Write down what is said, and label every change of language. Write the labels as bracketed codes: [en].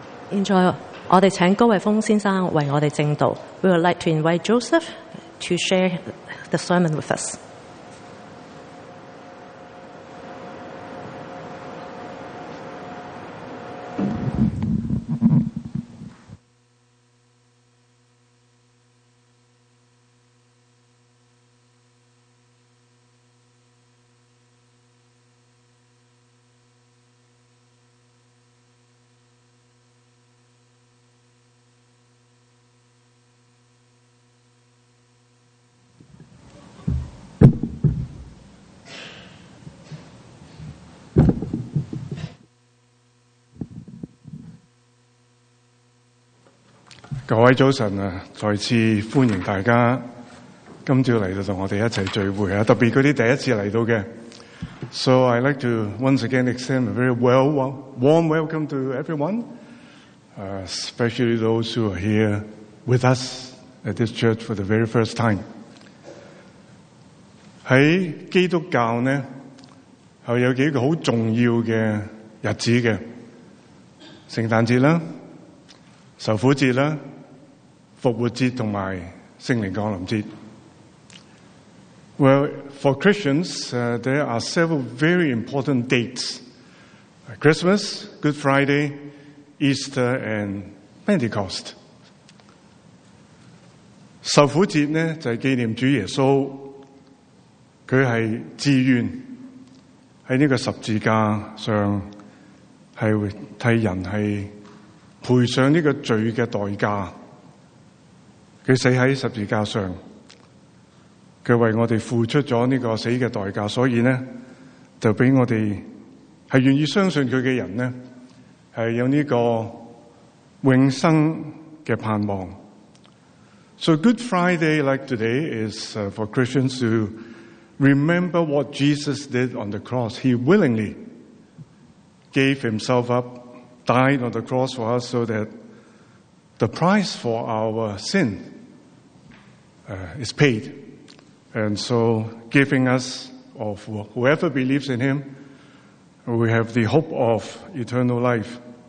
[zh] 現在我們請高偉峰先生為我們證道。 [en] We would like to invite Joseph to share the sermon with us. [zh] 各位早晨，再次欢迎大家今早来到和我们一起聚会，特别那些第一次来到的。 [en] So I'd like to once again extend a very warm welcome to everyone, especially those who are here with us at this church for the very first time. [zh] 在基督教呢，是有几个很重要的日子的，圣诞节啦，受苦节啦，復活節同埋聖靈降臨節。 [en] Well, for Christians, there are several very important dates. Christmas, Good Friday, Easter and Pentecost. [zh] 受苦節呢，就是紀念主耶穌，他是自願在這個十字架上，是替人是賠上這個罪的代價，他死在十字架上，他为我们付出了这个死的代价，所以呢就给我们是愿意相信他的人呢，是有这个永生的盼望。 [en] So Good Friday like today is for Christians to remember what Jesus did on the cross. He willingly gave himself up, died on the cross for us, so that the price for our sin is paid, and so giving us, of whoever believes in him, we have the hope of eternal life.